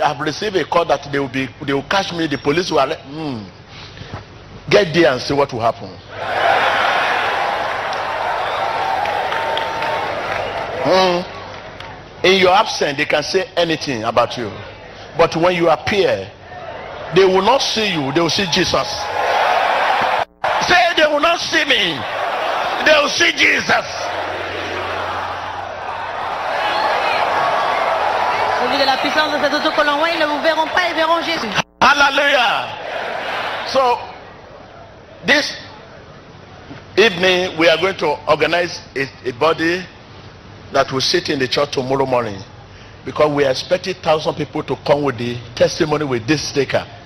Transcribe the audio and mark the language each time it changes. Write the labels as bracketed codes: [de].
[en] I've received a call that they will catch me. The police will get there and see what will happen. In your absence, they can say anything about you. But when you appear, they will not see you, they will see Jesus. They will not see me. They will see Jesus. [fr] Celui de la puissance de cet autocollant, ils ne vous verront pas, ils verront Jésus. [en] Hallelujah. So, this evening we are going to organize a body that will sit in the church tomorrow morning, because we expect 1,000 people to come with the testimony with this sticker.